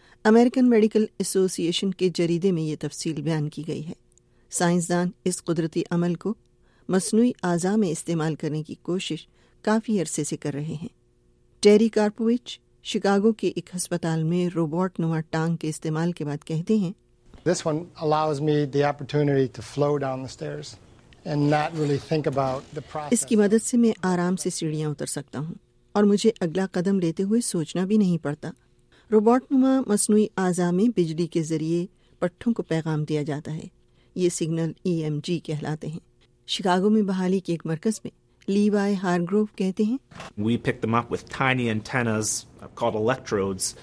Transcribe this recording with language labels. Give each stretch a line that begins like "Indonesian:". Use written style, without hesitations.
Urdu: American medical ایسوسی ایشن کے جریدے میں یہ تفصیل بیان کی گئی ہے۔ سائنسدان اس قدرتی عمل کو مصنوعی اعضاء میں استعمال کرنے کی کوشش کافی عرصے سے کر رہے ہیں۔ ٹیری کارپوویچ شکاگو کے ایک ہسپتال میں روبوٹ نما ٹانگ کے استعمال کے بعد کہتے ہیں،
English: This one allows me the opportunity to flow down the stairs and not really think about the process.
Urdu: اس کی مدد سے میں آرام سے سیڑھیاں اتر سکتا ہوں اور مجھے اگلا قدم لیتے ہوئے سوچنا بھی نہیں پڑتا۔ روبوٹ نما مصنوعی اعضاء میں بجلی کے ذریعے پٹھوں کو پیغام دیا جاتا ہے، یہ سگنل EMG کہلاتے ہیں۔ شکاگو میں بحالی کے ایک مرکز میں لیوائے ہارگروف کہتے ہیں،
English: We pick them up with tiny antennas called electrodes.